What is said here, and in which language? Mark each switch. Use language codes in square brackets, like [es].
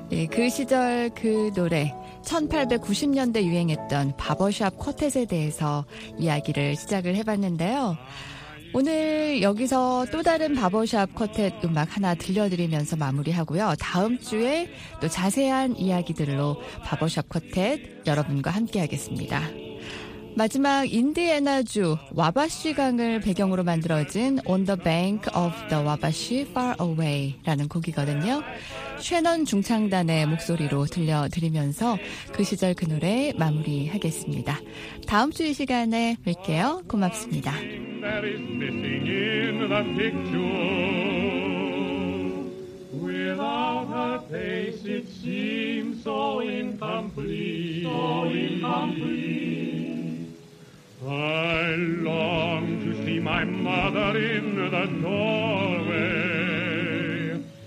[ko] 그 시절 그 노래, 1890년대 유행했던 바버샵 쿼텟에 대해서 이야기를 시작을 해봤는데요. 오늘 여기서 또 다른 바버샵 쿼텟 음악 하나 들려드리면서 마무리하고요. 다음 주에 또 자세한 이야기들로 바버샵 쿼텟 여러분과 함께하겠습니다. 마지막 인디애나주 와바시강을 배경으로 만들어진 On the Bank of the Wabash Far Away라는 곡이거든요. 쉐넌 중창단의 목소리로 들려드리면서 그 시절 그 노래 마무리하겠습니다. 다음 주 이 시간에 뵐게요. 고맙습니다. [en] That is missing in the picture. Without a face, it seems so incomplete, so incomplete. I long to see my mother in the doorway.